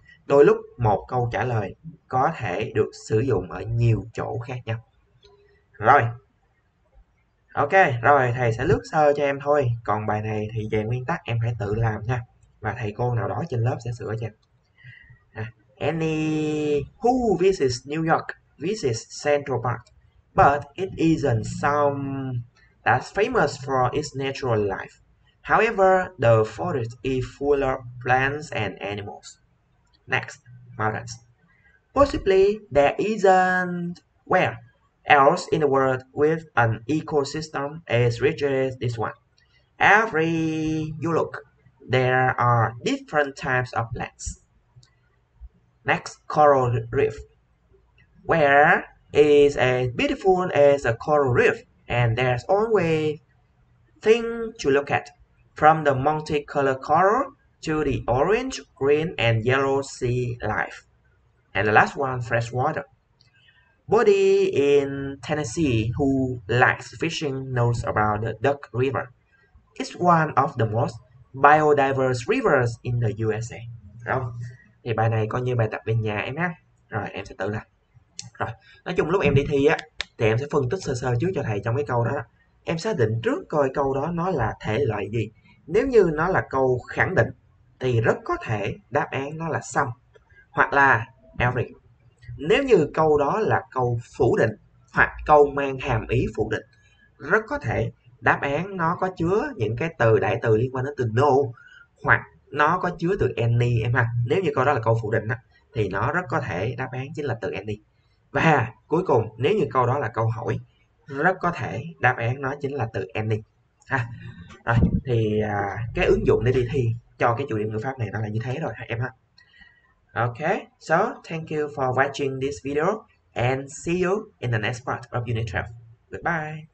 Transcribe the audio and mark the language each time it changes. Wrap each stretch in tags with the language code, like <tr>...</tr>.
<vi>Đôi lúc một câu trả lời có thể được sử dụng ở nhiều chỗ khác nhau. Rồi. Ok, rồi thầy sẽ lướt sơ cho em thôi. Còn bài này thì về nguyên tắc em phải tự làm nha. Và thầy cô nào đó trên lớp sẽ sửa cho em.</vi> <en>Who visits New York visits Central Park. But it isn't some that's famous for its natural life. However, the forest is full of plants and animals. Next, mountains. Possibly there isn't where else in the world with an ecosystem as rich as this one. Every you look, there are different types of plants. Next, coral reef. Where is as beautiful as a coral reef, and there's always thing to look at, from the multicolored coral to the orange, green, and yellow sea life. And the last one, fresh water. Body in Tennessee who likes fishing knows about the Duck River. It's one of the most biodiverse rivers in the USA.</en> <vi>Không? Thì bài này coi như bài tập về nhà em ha. Rồi, em sẽ tự làm. Rồi, nói chung lúc em đi thi á, thì em sẽ phân tích sơ sơ trước cho thầy trong cái câu đó. Em xác định trước coi câu đó nó là thể loại gì. Nếu như nó là câu khẳng định thì rất có thể đáp án nó là some hoặc là every. Nếu như câu đó là câu phủ định hoặc câu mang hàm ý phủ định, rất có thể đáp án nó có chứa những cái từ đại từ liên quan đến từ no, hoặc nó có chứa từ any em ha. Nếu như câu đó là câu phủ định á, thì nó rất có thể đáp án chính là từ any. Và cuối cùng, nếu như câu đó là câu hỏi, rất có thể đáp án nó chính là từ any ha. Rồi, thì cái ứng dụng để đi thi cho cái chủ đề ngữ pháp này nó là như thế rồi em ha.</vi> <en>Ok, so thank you for watching this video and see you in the next part of Unit 12. Goodbye.</en>